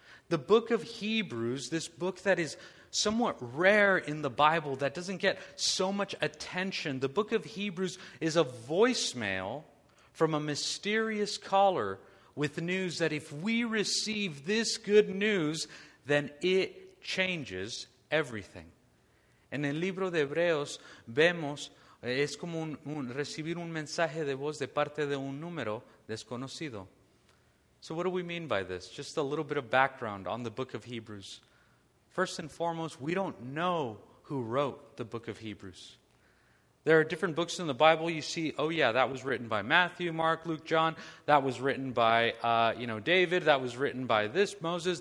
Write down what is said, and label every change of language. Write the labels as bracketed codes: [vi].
[en] The book of Hebrews, this book that is somewhat rare in the Bible, that doesn't get so much attention. The book of Hebrews is a voicemail from a mysterious caller with news that if we receive this good news, then it changes everything. [es] En el libro de Hebreos vemos, es como recibir un mensaje de voz de parte de un número desconocido. [en] So what do we mean by this? Just a little bit of background on the book of Hebrews. First and foremost, we don't know who wrote the book of Hebrews. There are different books in the Bible. You see, oh yeah, that was written by Matthew, Mark, Luke, John. That was written by David. That was written by this Moses.